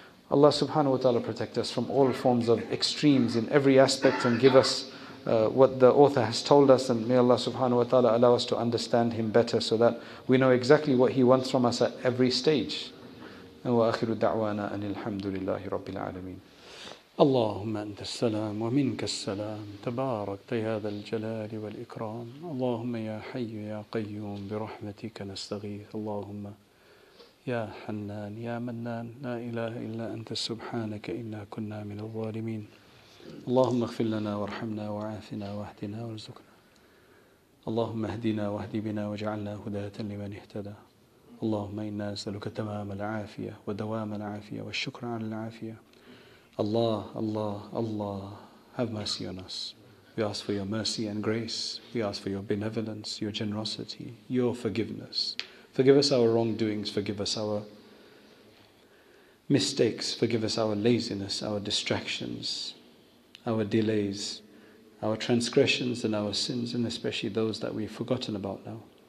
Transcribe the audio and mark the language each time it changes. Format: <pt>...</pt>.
<en>Allah subhanahu wa ta'ala protect us from all forms of extremes in every aspect, and give us what the author has told us, and may Allah subhanahu wa ta'ala allow us to understand him better so that we know exactly what he wants from us at every stage.</en> <ar>And wa akhiru da'wana anil hamdulillahi rabbil alameen. اللهم أنت السلام ومنك السلام تباركت يا ذا الجلال والإكرام اللهم يا حي يا قيوم برحمتك نستغيث اللهم يا حنان يا منان لا إله إلا أنت سبحانك إنا كنا من الظالمين اللهم اغفر لنا وارحمنا وعافنا واهدنا وارزقنا اللهم اهدنا واهد بنا واجعلنا هداة لمن اهتدى اللهم إنا نسألك تمام العافية ودوام العافية والشكر على العافية.</ar> <en>Allah, Allah, Allah, have mercy on us. We ask for your mercy and grace. We ask for your benevolence, your generosity, your forgiveness. Forgive us our wrongdoings. Forgive us our mistakes. Forgive us our laziness, our distractions, our delays, our transgressions and our sins, and especially those that we've forgotten about now.</en>